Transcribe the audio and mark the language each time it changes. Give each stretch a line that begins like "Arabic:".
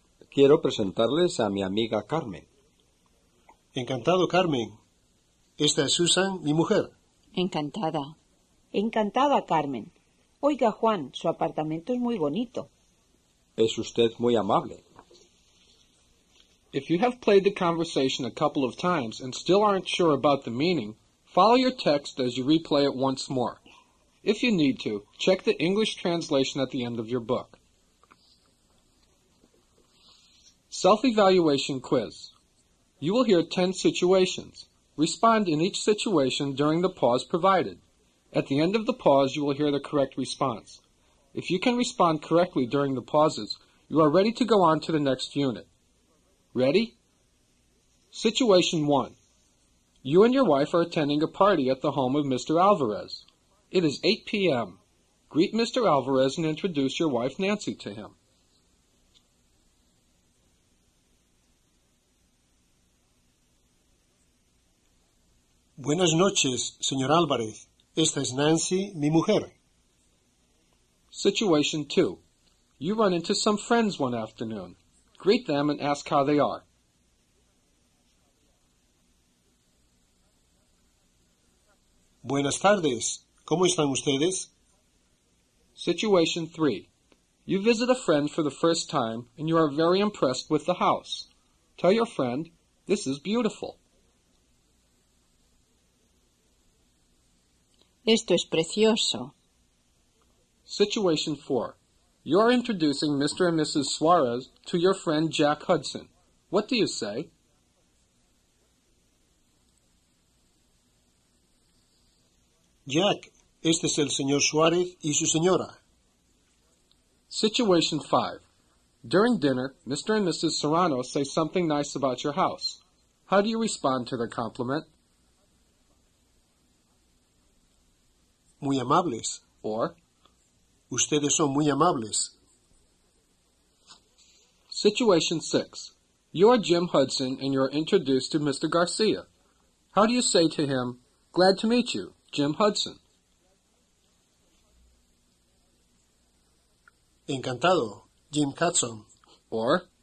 Spanish: Quiero presentarles a mi amiga Carmen. Encantado, Carmen. Esta es Susan, mi mujer. Encantada. Encantada, Carmen. Oiga, Juan, su apartamento es muy bonito. Es usted muy amable.
English: If you have played the conversation a couple of times and still aren't sure about the meaning, follow your text as you replay it once more. If you need to, check the English translation at the end of your book. Self-evaluation quiz. You will hear 10 situations. Respond in each situation during the pause provided. At the end of the pause, you will hear the correct response. If you can respond correctly during the pauses, you are ready to go on to the next unit. Ready? Situation 1. You and your wife are attending a party at the home of Mr. Alvarez. It is 8 p.m. Greet Mr. Alvarez and introduce your wife Nancy to him.
Spanish: Buenas noches, señor Álvarez. Esta es Nancy, mi mujer.
English: Situation 2. You run into some friends one afternoon. Greet them and ask how they are.
Spanish: Buenas tardes. ¿Cómo están ustedes?
English: Situation 3. You visit a friend for the first time and you are very impressed with the house. Tell your friend, "This is beautiful."
Spanish: Esto es precioso.
English: Situation 4. You are introducing Mr. and Mrs. Suarez to your friend Jack Hudson. What do you say?
Spanish: Jack, este es el señor Suarez y su señora.
English: Situation 5. During dinner, Mr. and Mrs. Serrano say something nice about your house. How do you respond to their compliment?
Spanish: Muy amables.
English: Or?
Spanish: Ustedes son muy amables.
English: Situation 6. You are Jim Hudson and you are introduced to Mr. Garcia. How do you say to him, "Glad to meet you, Jim Hudson"?
Spanish: Encantado, Jim Hudson.
English: Or?